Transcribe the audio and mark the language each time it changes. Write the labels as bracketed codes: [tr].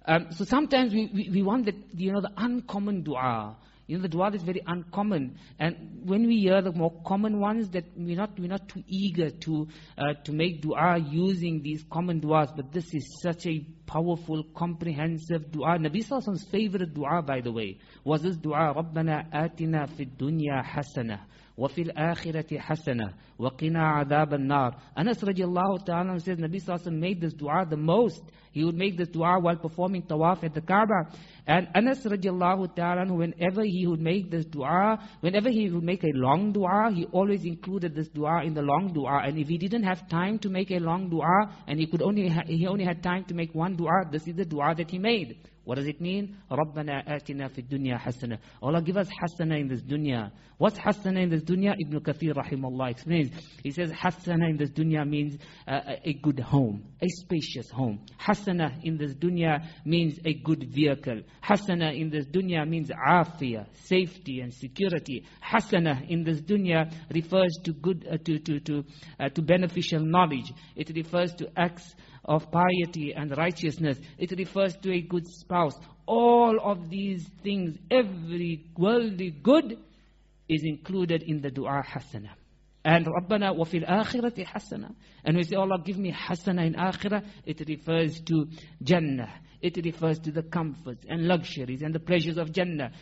[en] So sometimes we want the, you know, the uncommon dua. You know, the dua is very uncommon. And when we hear the more common ones, that we're not too eager to make dua using these common duas. But this is such a powerful, comprehensive dua. Nabi Sallallahu's favorite dua, by the way, was this dua, [ar] رَبَّنَا آتِنَا فِي الدُّنْيَا حَسَنَةً وَفِي الْآخِرَةِ حَسَنَةً وَقِنَا عَذَابَ النَّارِ. [en] Anas رضي الله تعالى says, Nabi Sallallahu made this dua the most. He would make this dua while performing tawaf at the Kaaba. And Anas radiallahu ta'ala, whenever he would make this dua, whenever he would make a long dua, he always included this dua in the long dua. And if he didn't have time to make a long dua, and he only had time to make one dua, this is the dua that he made. What does it mean? [ar] رَبَّنَا آتِنَا فِي الدُّنْيَا حَسَنَةً. [en] Allah, give us hasana in this dunya. What's hasana in this dunya? Ibn Kathir rahimahullah explains. He says hasana in this dunya means a good home, a spacious home. Hasana in this dunya means a good vehicle. Hasana in this dunya means afiyah, safety and security. Hasana in this dunya refers to good to beneficial knowledge. It refers to acts of piety and righteousness. It refers to a good spouse. All of these things, every worldly good, is included in the dua hasana. And [ar] رَبَّنَا وَفِي الْآخِرَةِ حَسَنَةً. [en] And we say, Allah, give me hasana in akhirah. It refers to Jannah. It refers to the comforts and luxuries and the pleasures of Jannah.